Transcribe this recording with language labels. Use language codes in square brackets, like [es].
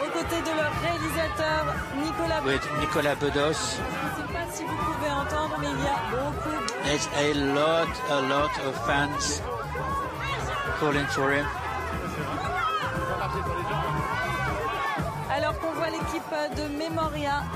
[fr] De leur réalisateur Nicolas [en] Bedos. With Nicolas Bedos. [fr] Je ne sais pas si vous pouvez entendre, mais il y a beaucoup. [en] There's a lot of fans calling for him. [fr] Alors qu'on voit l'équipe de Memoria.